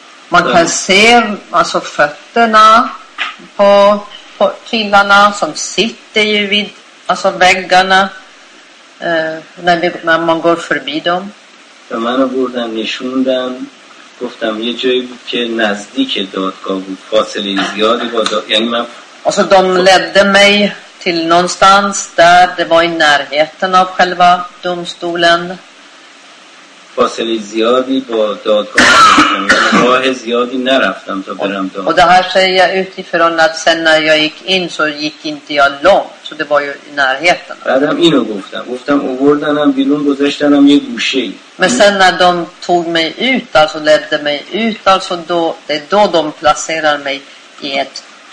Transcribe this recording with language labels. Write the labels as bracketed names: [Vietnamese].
[Swedish] Man kan se alltså fötterna på killarna som sitter ju vid alltså väggarna när man går förbi dem. [Persian] به منو بردن نشوندن گفتم یه جایی بود که نزدیک دادگاه بود فاصله زیادی با دادگاه یعنی من [Swedish] alltså de ledde mig till någonstans där det var i närheten av själva domstolen [Persian] فاصله زیادی با دادگاه بودم راه زیادی نرفتم تا برم دادگاه [Swedish] och det här säger jag utifrån att sen när jag gick in så gick inte jag långt så det var ju i närheten [Persian] بعدم اینو گفتم اووردنم بیرون گذاشتنم یه گوشه ای [Swedish] Men sen när de tog mig ut, alltså ledde mig ut, alltså då, det är då de placerar mig i ett